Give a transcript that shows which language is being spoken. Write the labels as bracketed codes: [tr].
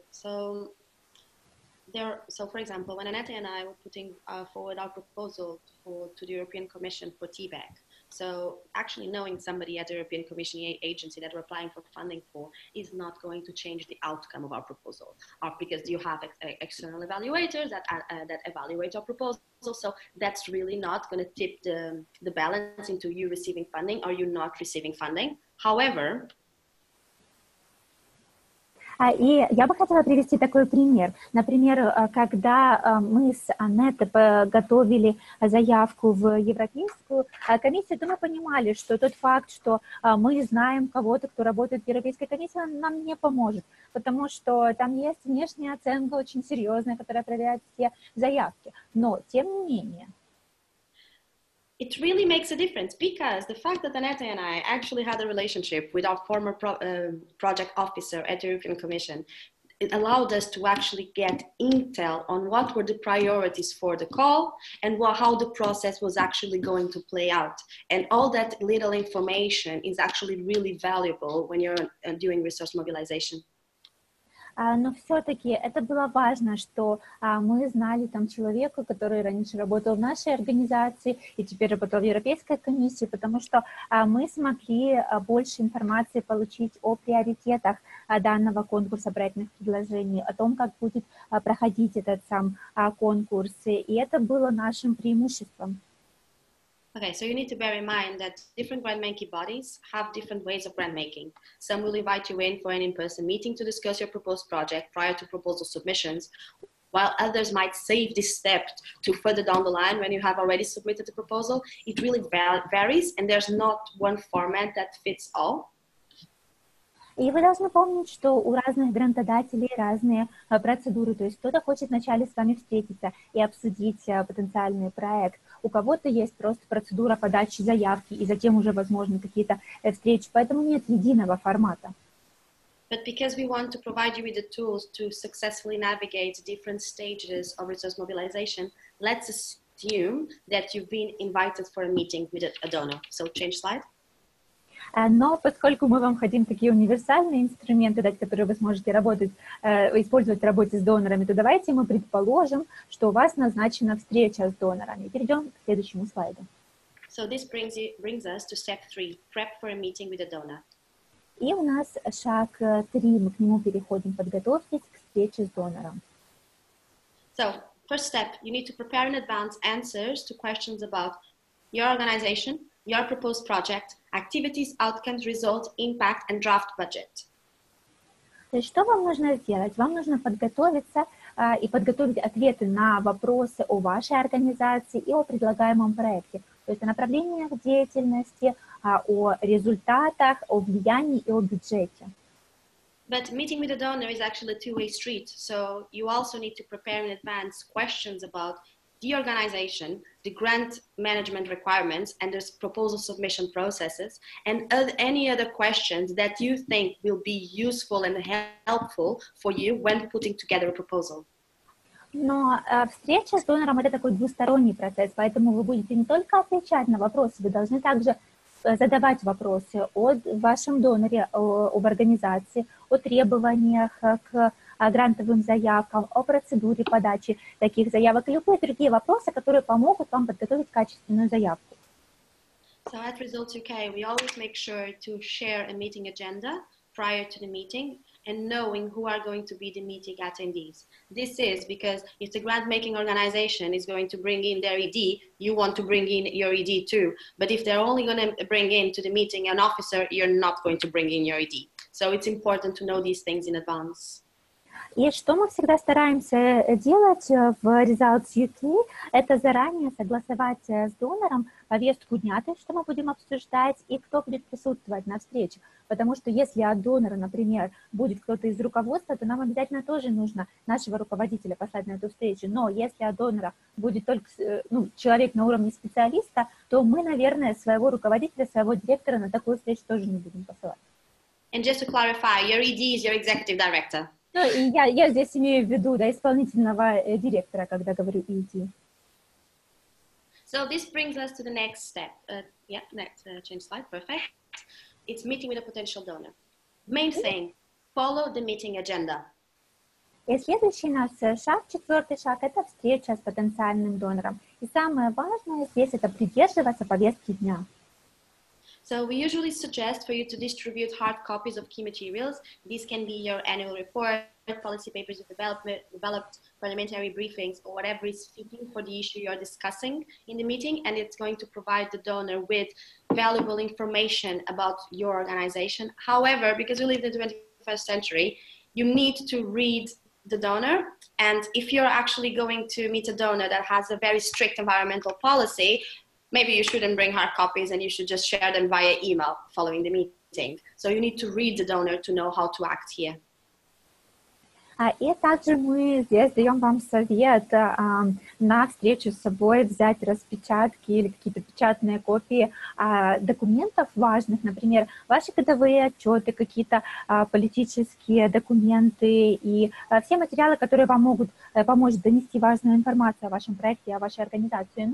[en] So for example, when Annette and I were putting forward our proposal to the European Commission for TBEC, so actually knowing somebody at the European Commission agency that we're applying for funding for is not going to change the outcome of our proposal, because you have external evaluators that evaluate our proposal, so that's really not going to tip the balance into you receiving funding or you not receiving funding. However, [ru] и я бы хотела привести такой пример. Например, когда мы с Аннеттой готовили заявку в Европейскую комиссию, то мы понимали, что тот факт, что мы знаем кого-то, кто работает в Европейской комиссии, нам не поможет, потому что там есть внешняя оценка очень серьезная, которая проверяет все заявки. Но, тем не менее... [en] It really makes a difference because the fact that Annette and I actually had a relationship with our former project officer at the European Commission, it allowed us to actually get intel on what were the priorities for the call and how the process was actually going to play out. And all that little information is actually really valuable when you're doing resource mobilization. [ru] Но все-таки это было важно, что мы знали там человека, который раньше работал в нашей организации и теперь работал в Европейской комиссии, потому что мы смогли больше информации получить о приоритетах данного конкурса проектных предложений, о том, как будет проходить этот сам конкурс, и это было нашим преимуществом. [en] Okay, so you need to bear in mind that different grantmaking bodies have different ways of grantmaking. Some will invite you in for an in-person meeting to discuss your proposed project prior to proposal submissions, while others might save this step to further down the line when you have already submitted the proposal. It really varies, and there's not one format that fits all. [ru] И вы должны помнить, что у разных грантодателей разные процедуры, то есть кто-то хочет вначале с вами встретиться и обсудить потенциальный проект, у кого-то есть просто процедура подачи заявки и затем уже, возможно, какие-то встречи, поэтому нет единого формата. [en] But because we want to provide you with the tools to successfully navigate different stages of resource mobilization, let's assume that you've been invited for a meeting with a donor. So change slide. [ru] Но поскольку мы вам хотим такие универсальные инструменты дать, которые вы сможете использовать в работе с донорами, то давайте мы предположим, что у вас назначена встреча с донорами. Перейдем к следующему слайду. [en] So this brings us to step three, prep for a meeting with a donor. [ru] И у нас шаг три, мы к нему переходим, подготовьтесь к встрече с донором. [en] So, first step, you need to prepare in advance answers to questions about your organization, your proposed project, activities, outcomes, results, impact, and draft budget. [ru] То есть, что вам нужно сделать? Вам нужно подготовиться и подготовить ответы на вопросы о вашей организации и о предлагаемом проекте. То есть о направлениях деятельности, о результатах, о влиянии и о бюджете. [en] But meeting with a donor is actually a two-way street, so you also need to prepare in advance questions about the organization, the grant management requirements, and the proposal submission processes, and any other questions that you think will be useful and helpful for you when putting together a proposal. [ru] Но встреча с донором — это такой двусторонний процесс, поэтому вы будете не только отвечать на вопросы, вы должны также задавать вопросы о вашем доноре, об организации, о требованиях к грантовым заявкам, о процедуре подачи таких заявок, любые другие вопросы, которые помогут вам подготовить качественную заявку. [en] So at Results UK, we always make sure to share a meeting agenda prior to the meeting and knowing who are going to be the meeting attendees. This is because if the grant-making organization is going to bring in their ED, you want to bring in your ED too. But if they're only going to bring in to the meeting an officer, you're not going to bring in your ED. So it's important to know these things in advance. [ru] И что мы всегда стараемся делать в Results UK, это заранее согласовать с донором повестку дня, то есть что мы будем обсуждать и кто будет присутствовать на встрече. Потому что если от донора, например, будет кто-то из руководства, то нам обязательно тоже нужно нашего руководителя послать на эту встречу. Но если от донора будет только человек на уровне специалиста, то мы, наверное, своего руководителя, своего директора на такую встречу тоже не будем посылать. [en] And just to clarify, your ED is your executive director. [ru] Ну, и я здесь имею в виду, да, исполнительного директора, когда говорю ED. [en] So this brings us to the next step. Change slide, perfect. It's meeting with a potential donor. Main thing, follow the meeting agenda. [ru] И следующий наш шаг, четвертый шаг, это встреча с потенциальным донором. И самое важное здесь, это придерживаться повестки дня. [en] So we usually suggest for you to distribute hard copies of key materials. These can be your annual report, policy papers you've developed, parliamentary briefings, or whatever is fitting for the issue you're discussing in the meeting, and it's going to provide the donor with valuable information about your organization. However, because we live in the 21st century, you need to read the donor, and if you're actually going to meet a donor that has a very strict environmental policy, maybe you shouldn't bring hard copies and you should just share them via email following the meeting. So you need to read the donor to know how to act here. [ru] И также мы здесь даем вам совет на встречу с собой взять распечатки или какие-то печатные копии документов важных, например, ваши годовые отчеты, какие-то политические документы и все материалы, которые вам могут помочь донести важную информацию о вашем проекте, о вашей организации.